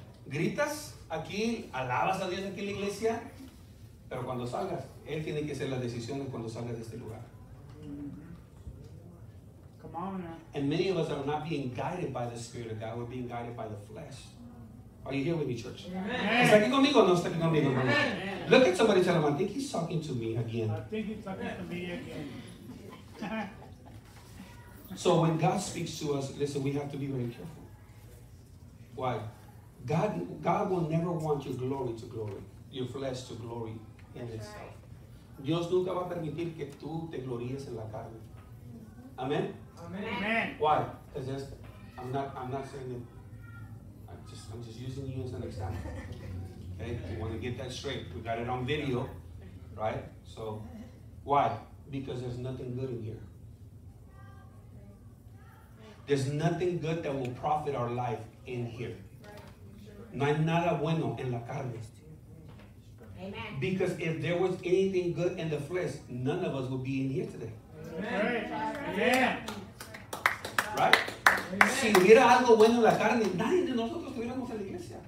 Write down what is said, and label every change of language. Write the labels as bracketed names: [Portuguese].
[Spanish] Gritas aquí, alabas a Dios aquí en la iglesia, pero cuando salgas, él tiene que hacer las decisiones cuando salgas de este lugar. [English] And many of us are not being guided by the Spirit of God. We're being guided by the flesh. Are you here with me, church? Amen. [Spanish] ¿Está aquí conmigo o no está aquí conmigo? [English] Amen. Look at somebody, tell him, I think he's talking to me again. I think he's talking to me again. So when God speaks to us, listen, we have to be very careful. Why? God will never want your glory to glory, your flesh to glory in That's itself. Right. [Spanish] Dios nunca va a permitir que tú te gloríes en la carne. [English] Amen? Amen. Amen. Why? Because I'm not saying it. I'm just using you as an example. Okay? You want to get that straight. We got it on video. Right? So, why? Because there's nothing good in here. There's nothing good that will profit our life in here. [Spanish] No hay nada bueno en la carne. [English] Amen. Because if there was anything good in the flesh, none of us would be in here today. Right? [Spanish] Si hubiera algo bueno en la carne, nadie de nosotros estuviéramos en la iglesia.